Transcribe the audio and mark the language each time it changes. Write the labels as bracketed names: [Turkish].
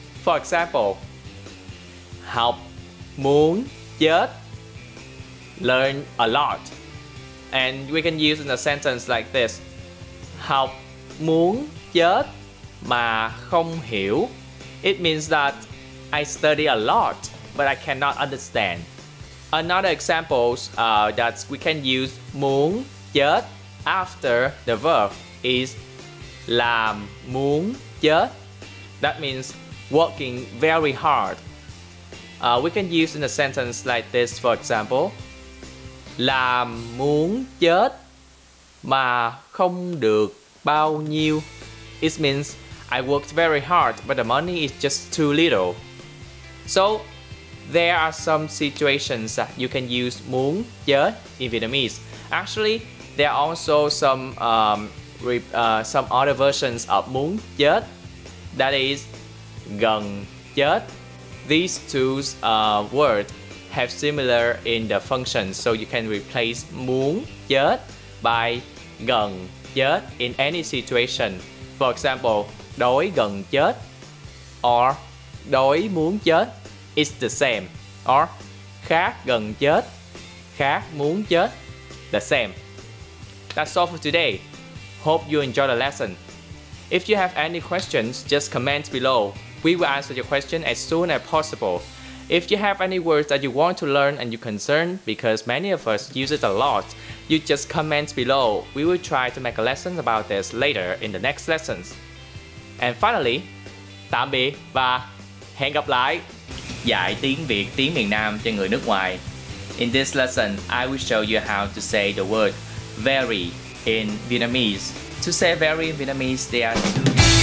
[English] For example, [Vietnamese] học muốn chết, [English] learn a lot. And we can use in a sentence like this. [Vietnamese] Học muốn chết mà không hiểu. [English] It means that I study a lot, but I cannot understand. Another example that we can use muốn chết after the verb is [Vietnamese] làm muốn chết. [English] That means working very hard. We can use in a sentence like this, for example. [Vietnamese] Làm muốn chết mà không được bao nhiêu. [English] It means I worked very hard, but the money is just too little. So, there are some situations that you can use muốn chết in Vietnamese. Actually, there are also some other versions of muốn chết. That is gần chết. These two words have similar in the function, so you can replace muốn chết by gần chết in any situation. For example, [Vietnamese] đói gần chết [English] or [Vietnamese] đói muốn chết [English] is the same, or [Vietnamese] khát gần chết, khát muốn chết, [English] the same. That's all for today. Hope you enjoy the lesson. If you have any questions, just comment below. We will answer your question as soon as possible. If you have any words that you want to learn and you're concerned, because many of us use it a lot, you just comment below. We will try to make a lesson about this later in the next lessons. And finally, [Vietnamese] tạm biệt và hẹn gặp lại! Dạy tiếng Việt, tiếng miền Nam cho người nước ngoài. [English] In this lesson, I will show you how to say the word very in Vietnamese. To say very in Vietnamese, there are two